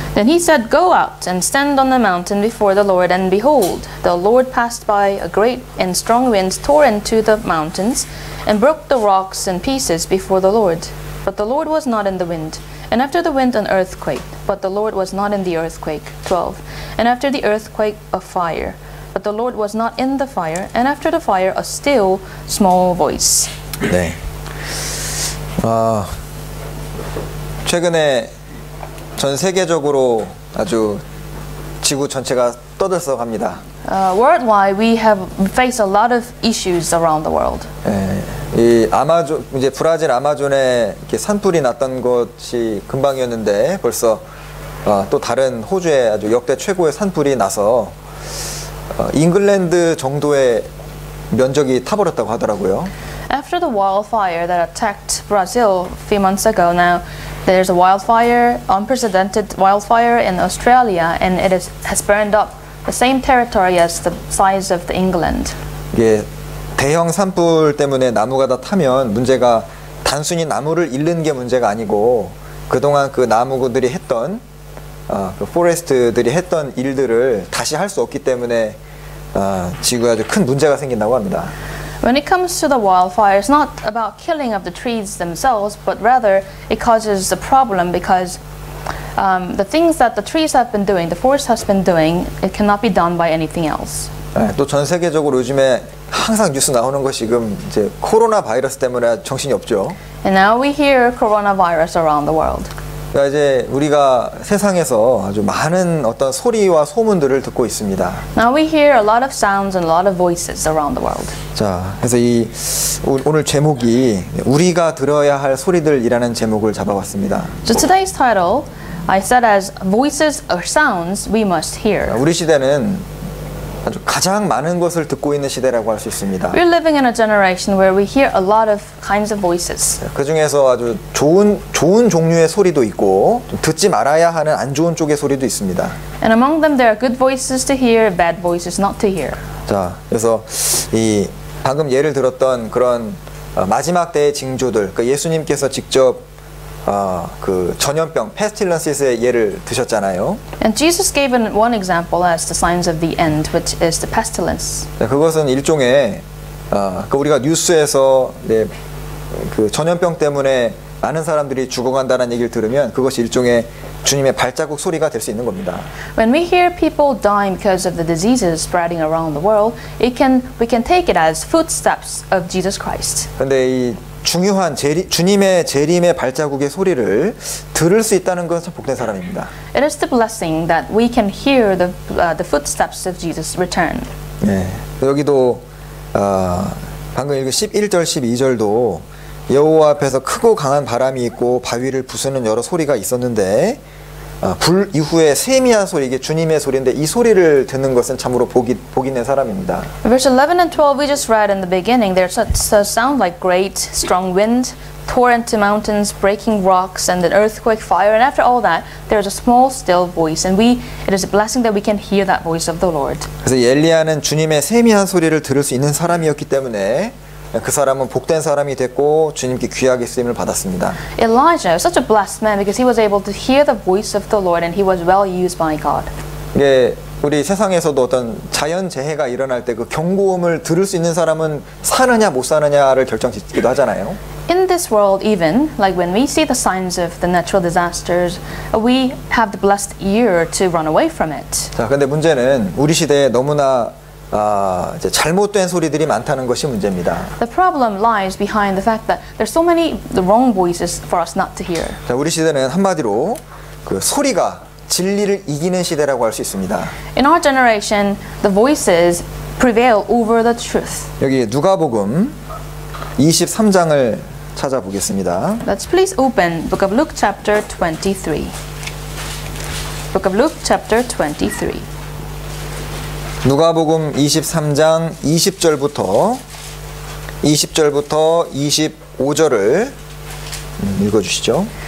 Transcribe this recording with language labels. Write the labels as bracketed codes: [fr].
[en] Then he said, "Go out and stand on the mountain before the Lord, and behold, the Lord passed by, a great and strong wind tore into the mountains and broke the rocks in pieces before the Lord. But the Lord was not in the wind. And after the wind, an earthquake. But the Lord was not in the earthquake. 12. And after the earthquake, a fire. But the Lord was not in the fire. And after the fire, a still, small voice." [ko] 네. 최근에 전 세계적으로 아주 지구 전체가 떠들썩합니다. [en] Worldwide, we have faced a lot of issues around the world. [ko] 이 아마존 이제 브라질 아마존에 이렇게 산불이 났던 것이 금방이었는데 벌써 또 다른 호주에 아주 역대 최고의 산불이 나서 잉글랜드 정도의 면적이 타버렸다고 하더라고요. [en] After the wildfire that attacked Brazil a few months ago, now there's a wildfire, unprecedented wildfire in Australia, and it has burned up the same territory as the size of the England. [ko] 예. 대형 산불 때문에 나무가 다 타면 문제가 단순히 나무를 잃는 게 문제가 아니고 그동안 그 나무들이 했던 그 포레스트들이 했던 일들을 다시 할 수 없기 때문에 지구에 아주 큰 문제가 생긴다고 합니다. [en] When it comes to the wildfire, it's not about killing of the trees themselves, but rather it causes a problem because the things that the trees have been doing, the forest has been doing, it cannot be done by anything else. [ko] 또 전 세계적으로 요즘에 항상 뉴스 나오는 것이 지금 이제 코로나 바이러스 때문에 정신이 없죠. [en] And now we hear coronavirus around the world. [ko] 그러니까 이제 우리가 세상에서 아주 많은 어떤 소리와 소문들을 듣고 있습니다. [en] Now we hear a lot of sounds and a lot of voices around the world. [ko] 자, 그래서 이 오늘 제목이 우리가 들어야 할 소리들이라는 제목을 잡아봤습니다. [en] So today's title I set as voices or sounds we must hear. [ko] 우리 시대는 아주 가장 많은 것을 듣고 있는 시대라고 할 수 있습니다. [en] We're living in a generation where we hear a lot of kinds of voices. [ko] 그 중에서 아주 좋은 종류의 소리도 있고 듣지 말아야 하는 안 좋은 쪽의 소리도 있습니다. [en] And among them there are good voices to hear, bad voices not to hear. [ko] 자, 그래서 이 방금 예를 들었던 그런 마지막 때의 징조들, 그 예수님께서 직접 그 전염병, pestilences의 예를 드셨잖아요. [en] And Jesus gave one example as the signs of the end, which is the pestilence. [ko] 그것은 일종의 그 우리가 뉴스에서 네, 그 전염병 때문에 많은 사람들이 죽어간다는 얘기를 들으면 그것이 일종의 주님의 발자국 소리가 될 수 있는 겁니다. [en] When we hear people dying because of the diseases spreading around the world, we can take it as footsteps of Jesus Christ. [ko] 근데 이 중요한 주님의 재림의 발자국의 소리를 들을 수 있다는 것은 복된 사람입니다. [en] It is the blessing that we can hear the footsteps of Jesus' return. [ko] 네, 여기도 방금 읽은 11절, 12절도 여호와 앞에서 크고 강한 바람이 있고 바위를 부수는 여러 소리가 있었는데 불 이후에 세미한 소리, 이게 주님의 소리인데 이 소리를 듣는 것은 참으로 복 있는 사람입니다. [en] Verse 11 and 12 we just read in the beginning, there's a sound like great strong wind, tore into mountains, breaking rocks, and an earthquake, fire, and after all that, there's a small still voice, and it is a blessing that we can hear that voice of the Lord. [ko] 그래서 엘리야는 주님의 세미한 소리를 들을 수 있는 사람이었기 때문에 그 사람은 복된 사람이 됐고 주님께 귀하게 쓰임을 받았습니다. [en] Elijah was such a blessed man because he was able to hear the voice of the Lord and he was well used by God. [ko] 이게 우리 세상에서도 어떤 자연 재해가 일어날 때 그 경고음을 들을 수 있는 사람은 사느냐 못 사느냐를 결정짓기도 하잖아요. [en] In this world even like when we see the signs of the natural disasters we have the blessed ear to run away from it. [ko] 자, 근데 문제는 우리 시대에 너무나 이제 잘못된 소리들이 많다는 것이 문제입니다. [en] The problem lies behind the fact that there's so many wrong voices for us not to hear. [ko] 자, 우리 시대는 한마디로 그 소리가 진리를 이기는 시대라고 할 수 있습니다. [en] In our generation, the voices prevail over the truth. [ko] 여기 누가복음 23장을 찾아보겠습니다. [en] Let's please open Book of Luke chapter 23. Book of Luke chapter 23. [ko] 누가복음 23장 20절부터 25절을 읽어주시죠.